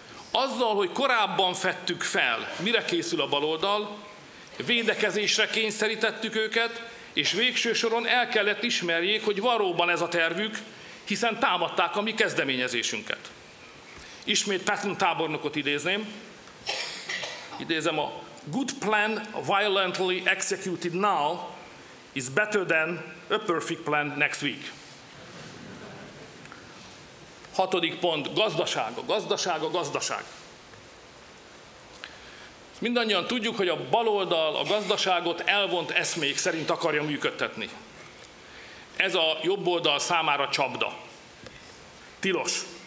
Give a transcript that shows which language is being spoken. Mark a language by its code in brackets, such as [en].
[hu] Azzal, hogy korábban fedtük fel, mire készül a baloldal, védekezésre kényszerítettük őket, és végső soron el kellett ismerjék, hogy valóban ez a tervük, hiszen támadták a mi kezdeményezésünket. Ismét Patton tábornokot idézném. Idézem, [en] a good plan violently executed now is better than a perfect plan next week. [hu] Hatodik pont, gazdaság, a gazdaság, a gazdaság. Mindannyian tudjuk, hogy a baloldal a gazdaságot elvont eszmék szerint akarja működtetni. Ez a jobb oldal számára csapda. Tilos.